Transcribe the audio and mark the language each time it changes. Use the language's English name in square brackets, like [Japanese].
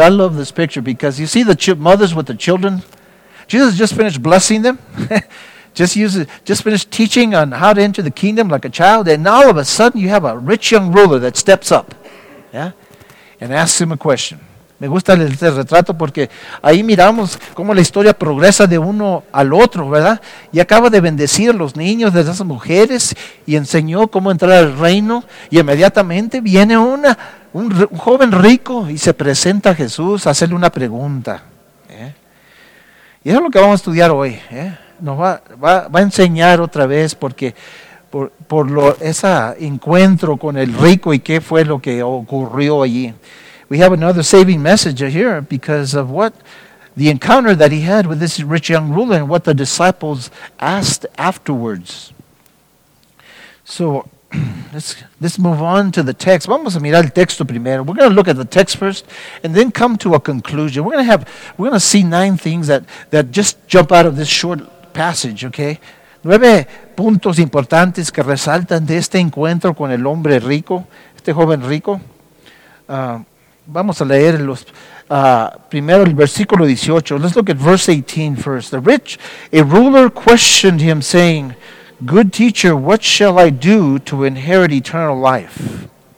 [English] I love this picture because you see the mothers with the children. Jesus just finished blessing them. just finished teaching on how to enter the kingdom like a child. And all of a sudden you have a rich young ruler that steps up. Yeah? And asks him a question. [Spanish] Me gusta este retrato porque ahí miramos cómo la historia progresa de uno al otro, ¿verdad? Y acaba de bendecir a los niños de esas mujeres y enseñó cómo entrar al reino. Y inmediatamente viene un joven rico y se presenta a Jesús a hacerle una pregunta. Y eso es lo que vamos a estudiar hoy, ¿eh? Nos va a enseñar otra vez porque por ese encuentro con el rico y qué fue lo que ocurrió allí. [English] We have another saving message here because of what the encounter that he had with this rich young ruler and what the disciples asked afterwards. So let's move on to the text. [Spanish] Vamos a mirar el texto primero. [English] We're going to look at the text first and then come to a conclusion. We're going to see 9 things that just jump out of this short passage, okay? [Spanish] 9 puntos importantes que resaltan de este encuentro con el hombre rico, este joven rico. Vamos a leer primero el versículo 18. [English] Let's look at verse 18 first. A ruler questioned him, saying, "Good teacher, what shall I do to inherit eternal life?"